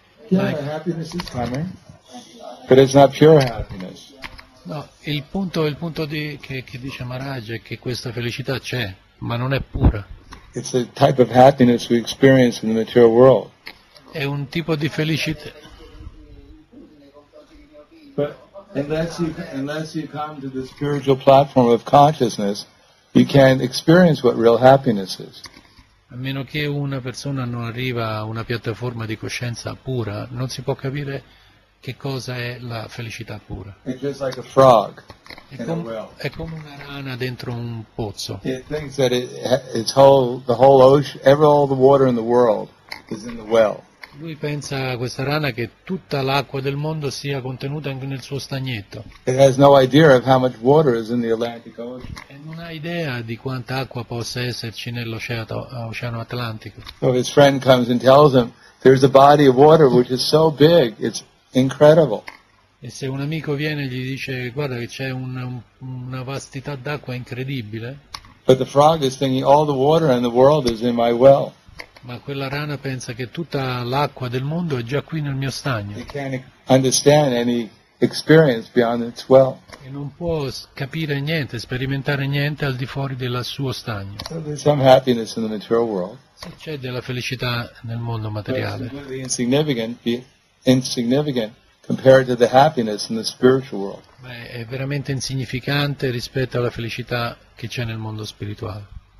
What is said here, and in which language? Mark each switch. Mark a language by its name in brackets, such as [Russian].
[English] Yeah, like, happiness is coming, but it's not pure happiness. [Italian] No, il punto che dice Maharaj è che questa felicità c'è, ma non è pura. [English] It's a type of happiness we experience in the material world. [Italian] È un tipo di felicità. [English] But unless you come to the spiritual platform of consciousness, you can't experience what real happiness is. [Italian] A meno che una persona non arriva a una piattaforma di coscienza pura, non si può capire che cosa è la felicità pura. [English] It's just like a frog. È [Italian] come una rana dentro un pozzo. [English] It thinks that it's whole, the whole ocean, all the water in the world is in the well. [Italian] Lui pensa, questa rana, che tutta l'acqua del mondo sia contenuta anche nel suo stagnetto. [English] It has no idea of how much water is in the Atlantic Ocean. [Italian] E non ha idea di quanta acqua possa esserci nell'oceano Atlantico. [English] So his friend comes and tells him, there's a body of water which is so big, it's incredible. [Italian] E se un amico viene gli dice, guarda che c'è una vastità d'acqua incredibile. [English] But the frog is thinking, all the water in the world is in my well. [Italian] Ma quella rana pensa che tutta l'acqua del mondo è già qui nel mio stagno. [English] It can't understand any experience beyond its well. [Italian] E non può capire niente, sperimentare niente al di fuori del suo stagno. [English] So there's some happiness in the material world. [Italian] Se c'è della felicità nel mondo materiale. [English] But it's insignificant, compared to the happiness in the spiritual world. [Italian] Ma è veramente insignificante rispetto alla felicità che c'è nel mondo spirituale.